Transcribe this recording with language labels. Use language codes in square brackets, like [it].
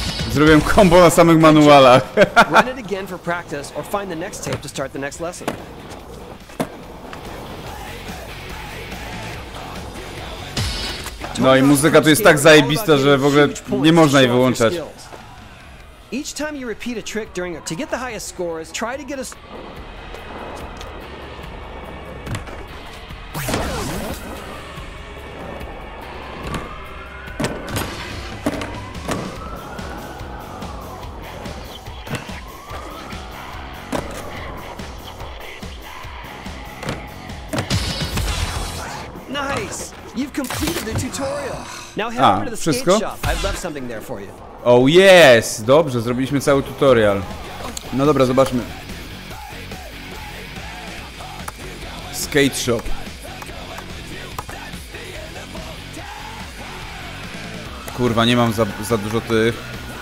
[pl] Zrobiłem combo na samych manualach. [en] Run it again for practice or find the next tape to start the next lesson. [pl] No i muzyka tu jest tak zajebista, że w ogóle nie można jej wyłączać. [en] Each time you repeat a trick during a... To get the highest scores, try to get a... Nice! You've completed the tutorial! Now head over to the skate shop. I've left something there for you. Oh yes! [pl] Dobrze, zrobiliśmy cały tutorial. No dobra, zobaczmy. [en] Skate shop. [pl] Kurwa, nie mam za dużo tych.